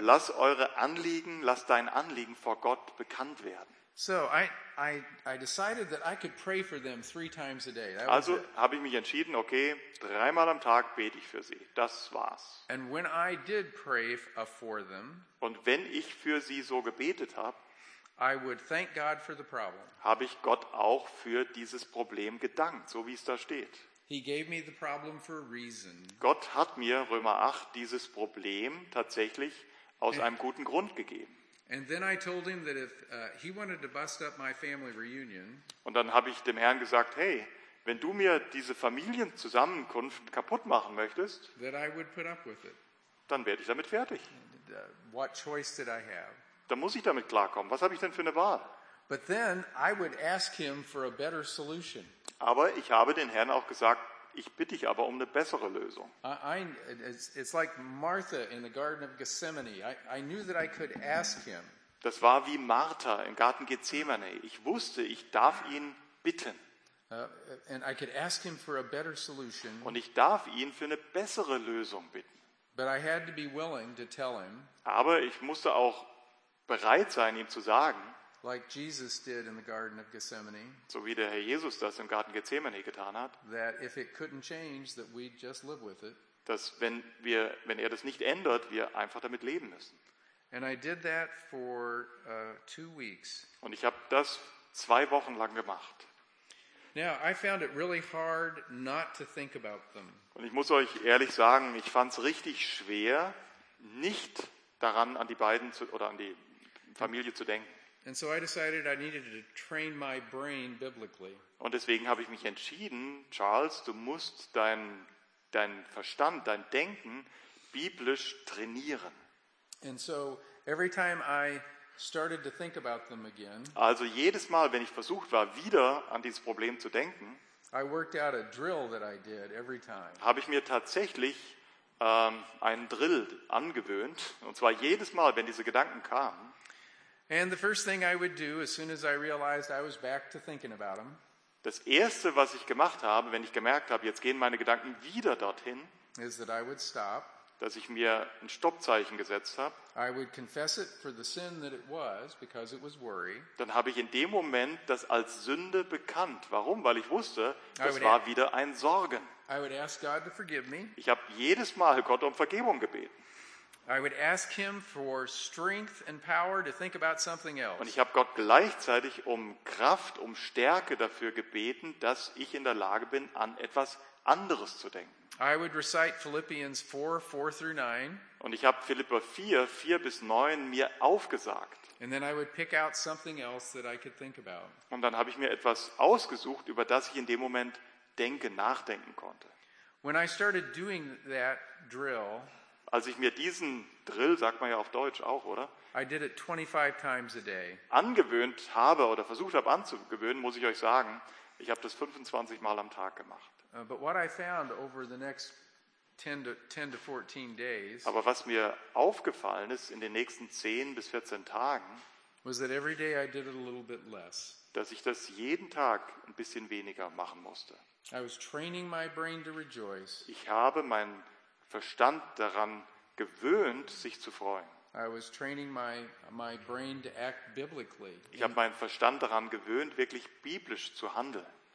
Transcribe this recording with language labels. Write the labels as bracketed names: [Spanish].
[German] Lass dein Anliegen vor Gott bekannt werden. [English] So I decided that I could pray for them 3 times a day. That [German] also habe ich mich entschieden, okay, 3 Mal am Tag bete ich für sie. Das war's. [English] And when I did pray for them, [German] und wenn ich für sie so gebetet habe, [English] I would thank God for the problem. [German] Habe ich Gott auch für dieses Problem gedankt, so wie es da steht. [English] He gave me the problem for a reason. [German] Gott hat mir, Römer 8, dieses Problem tatsächlich aus einem guten Grund gegeben. [English] And then I told him that if he wanted to bust up my family reunion. [German] Und dann habe ich dem Herrn gesagt, hey, wenn du mir diese Familienzusammenkunft kaputt machen möchtest, [English] that I would put up with it. [German] Dann werde ich damit fertig. [English] What choice did I have? [German] Dann muss ich damit klarkommen. Was habe ich denn für eine Wahl? [English] But then I would ask him for a better solution. [German] Aber ich habe den Herrn auch gesagt, ich bitte dich aber um eine bessere Lösung. [English] It's like Martha in the Garden of Gethsemane. I knew that I could ask him. [German] Das war wie Martha im Garten Gethsemane. Ich wusste, ich darf ihn bitten. [English] And I could ask him for a better solution. [German] Und ich darf ihn für eine bessere Lösung bitten. [English] But I had to be willing to tell him. [German] Aber ich musste auch bereit sein, ihm zu sagen, [English] like Jesus did in the Garden of Gethsemane, [German] so wie der Herr Jesus das im Garten Gethsemane getan hat, [English] that if it couldn't change, that we'd just live with it. [German] Dass wenn er das nicht ändert, wir einfach damit leben müssen. [English] And I did that for 2 weeks. [German] Und ich habe das 2 Wochen lang gemacht. [English] Now I found it really hard not to think about them. [German] Und ich muss euch ehrlich sagen, ich fand es richtig schwer, nicht daran an die beiden zu, oder an die Familie zu denken. [English] And so I decided I needed to train my brain biblically. [German] Und deswegen habe ich mich entschieden, Charles, du musst dein Verstand, dein Denken biblisch trainieren. [English] And so every time I started to think about them again. [German] Also jedes Mal, wenn ich versucht war, wieder an dieses Problem zu denken, [English] I worked out a drill that I did every time. [German] Habe ich mir tatsächlich einen Drill angewöhnt, und zwar jedes Mal, wenn diese Gedanken kamen. [English] And the first thing I would do as soon as I realized I was back to thinking about them. [German] Das erste, was ich gemacht habe, wenn ich gemerkt habe, jetzt gehen meine Gedanken wieder dorthin, [English] is that I would stop. [German] Dass ich mir ein Stoppzeichen gesetzt habe. [English] I would confess it for the sin that it was, because it was worry. [German] Dann habe ich in dem Moment das als Sünde bekannt. Warum? Weil ich wusste, das war wieder ein Sorgen. [English] I would ask God to forgive me. [German] Ich habe jedes Mal Gott um Vergebung gebeten. [English] I would ask him for strength and power to think about something else. [German] Und ich habe Gott gleichzeitig um Kraft, um Stärke dafür gebeten, dass ich in der Lage bin, an etwas anderes zu denken. [English] I would recite Philippians 4:4-9. [German] Und ich habe Philipper 4:4-9 mir aufgesagt. [English] And then I would pick out something else that I could think about. [German] Und dann habe ich mir etwas ausgesucht, über das ich in dem Moment nachdenken konnte. [English] When I started doing that drill, [German] als ich mir diesen Drill, sagt man ja auf Deutsch auch, oder? [English] I did it 25 times a day. [German] Angewöhnt habe oder versucht habe anzugewöhnen, muss ich euch sagen, ich habe das 25 Mal am Tag gemacht. [English] But what I found over the next 10 to 14 days, [German] aber was mir aufgefallen ist in den nächsten 10 bis 14 Tagen, [English] was that every day I did it a little bit less. [German] Dass ich das jeden Tag ein bisschen weniger machen musste. [English] I was training my brain to rejoice. [German] Ich habe meinen Verstand daran gewöhnt, sich zu freuen. [English] I was training my brain to act biblically. [German] Ich habe meinen Verstand daran gewöhnt, wirklich biblisch zu handeln.